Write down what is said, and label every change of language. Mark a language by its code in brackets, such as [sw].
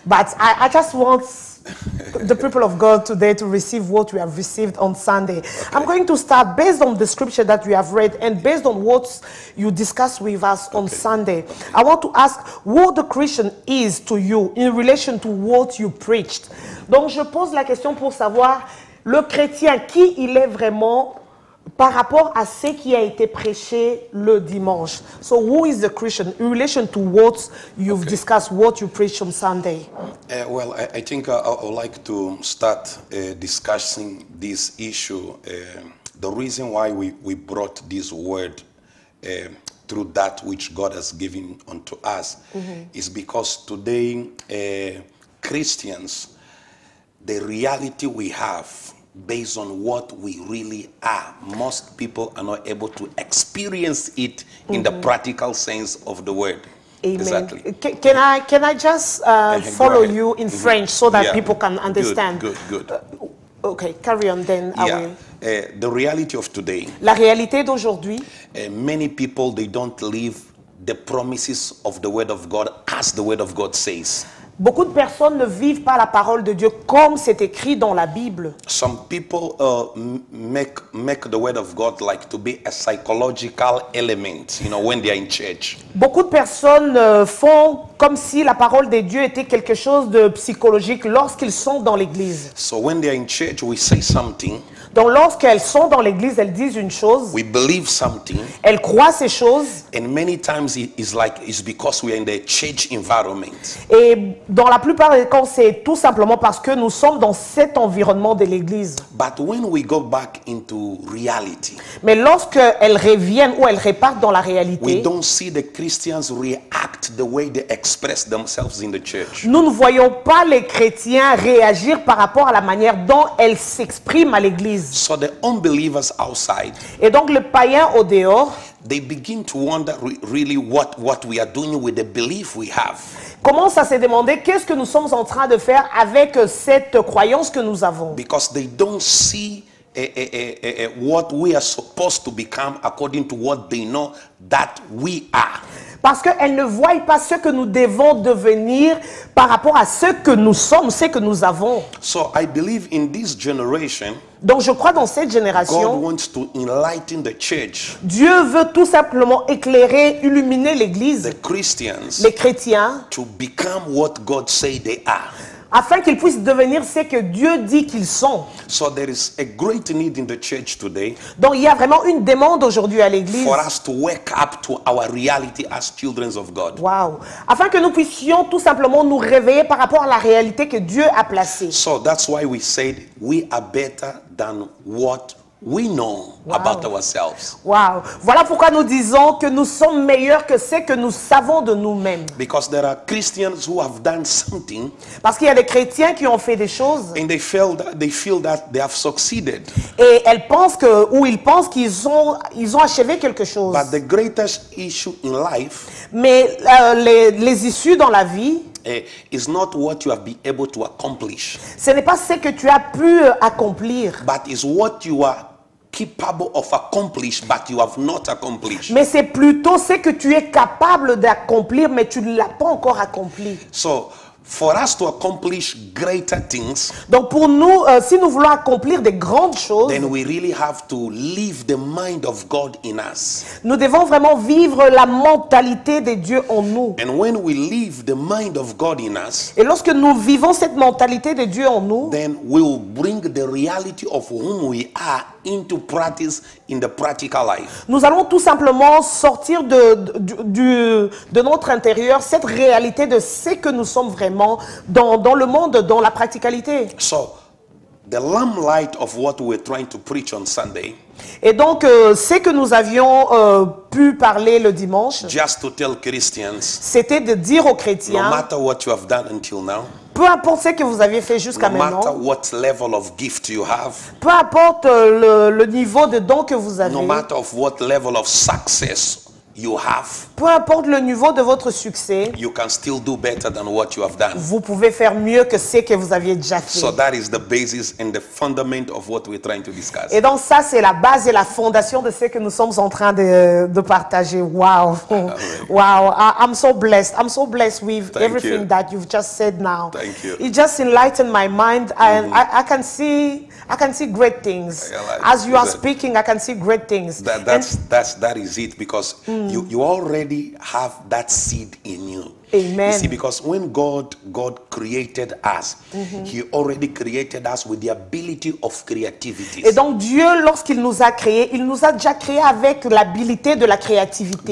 [en] But I just want the people of God today to receive what we have received on Sunday. Okay. I'm going to start based on the scripture that we have read and based on what you discussed with us on Sunday. I want to ask what the Christian is to you in relation to what you preached. [fr] Donc, je pose la question pour savoir le chrétien, qui il est vraiment par rapport à ce qui a été prêché le dimanche. [en] So, who is the Christian in relation to what you've discussed, what you preached on Sunday? Well, I think I would like to start discussing this issue. The reason why we brought this word through that which God has given unto us is because today Christians the reality we have based on what we really are. Most people are not able to experience it in the practical sense of the word. Amen. Exactly. Can I just follow you in French so that people can understand? Good. Okay, carry on then. The reality of today. [fr] La réalité d'aujourd'hui. [en] Many people, they don't live the promises of the word of God as the word of God says. [fr] Beaucoup de personnes ne vivent pas la parole de Dieu comme c'est écrit dans la Bible. [en] Some people make the word of God like to be a psychological element, you know, when they are in church. [fr] Beaucoup de personnes font comme si la parole de Dieu était quelque chose de psychologique lorsqu'ils sont dans l'église. [en] So when they are in church, we say something. [fr] Donc lorsqu'elles sont dans l'église, elles disent une chose. [en] We believe something. [fr] Elles croient ces choses. [en] And many times it's because we are in the church environment. [fr] Et dans la plupart des cas, c'est tout simplement parce que nous sommes dans cet environnement de l'église. [en] But when we go back into reality. [fr] Mais lorsque elles reviennent ou elles repartent dans la réalité. [en] We don't see the Christians react the way they express themselves in the church. [fr] Nous ne voyons pas les chrétiens réagir par rapport à la manière dont elles s'expriment à l'église. [en] So the unbelievers outside, [fr] et donc le païen au dehors, [en] they begin to wonder really what we are doing with the belief we have. [fr] Commence à se demander qu'est-ce que nous sommes en train de faire avec cette croyance que nous avons. [en] Because they don't see what we are supposed to become according to what they know that we are. [fr] Parce qu'elles ne voient pas ce que nous devons devenir par rapport à ce que nous sommes, ce que nous avons. [en] So I believe in this generation. [fr] Donc je crois dans cette génération. [en] God wants to enlighten the church. [fr] Dieu veut tout simplement éclairer, illuminer l'église. [en] The Christians. [fr] Les chrétiens. [en] To become what God says they are. [fr] Afin qu'ils puissent devenir ce que Dieu dit qu'ils sont. [en] So there is a great need in the church today. [fr] Donc il y a vraiment une demande aujourd'hui à l'église. [en] For us to wake up to our reality as children of God. Wow. [fr] Afin que nous puissions tout simplement nous réveiller par rapport à la réalité que Dieu a placée. [en] So that's why we said we are better than what we know about ourselves. Wow. [fr] Voilà pourquoi nous disons que nous sommes meilleurs que ce que nous savons de nous-mêmes. [en] Because there are Christians who have done something. [fr] Parce qu'il y a des chrétiens qui ont fait des choses. [en] And they feel that they have succeeded. [fr] Et elles pensent que ou ils pensent qu'ils ont achevé quelque chose. [en] But the greatest issue in life. [fr] Mais les issues dans la vie. [en] Is not what you have been able to accomplish. [fr] Ce n'est pas ce que tu as pu accomplir. [en] But is what you are capable of accomplish, but you have not accomplished. [fr] Mais c'est plutôt ce que tu es capable d'accomplir, mais tu ne l'as pas encore accompli. [en] So, for us to accomplish greater things. [fr] Donc pour nous, si nous voulons accomplir des grandes choses. [en] Then we really have to live the mind of God in us. [fr] Nous devons vraiment vivre la mentalité de Dieu en nous. [en] And when we live the mind of God in us. [fr] Et lorsque nous vivons cette mentalité de Dieu en nous. [en] Then we will bring the reality of whom we are into practice in the practical life. [fr] Nous allons tout simplement sortir de notre intérieur cette réalité de ce que nous sommes vraiment dans le monde, dans la practicalité. [en] So, the lamp light of what we're trying to preach on Sunday. [fr] Et donc, ce que nous avions pu parler le dimanche. [en] Just to tell Christians. [fr] C'était de dire aux chrétiens. [en] No matter what you have done until now. [fr] Peu importe ce que vous avez fait jusqu'à maintenant. [en] No matter what level of gift you have. [fr] Peu importe le niveau de don que vous avez. [en] No matter of what level of success you have. [fr] Peu importe le niveau de votre succès. [en] You can still do better than what you have done. [fr] Vous pouvez faire mieux que ce que vous aviez déjà fait. [en] So that is the basis and the fundament of what we're trying to discuss. [fr] Et donc ça c'est la base et la fondation de ce que nous sommes en train de partager. [en] Wow. Wow. I'm so blessed. I'm so blessed with Thank everything you. That you've just said now. Thank you. It just enlightened my mind and I can see great things. As you are speaking, I can see great things. That is it because you already have that seed in you. Amen. You see, because when God created us, He already created us with the ability of creativity. [fr] Et donc Dieu, lorsqu'il nous a créés, il nous a déjà créés avec l'habilité de la créativité.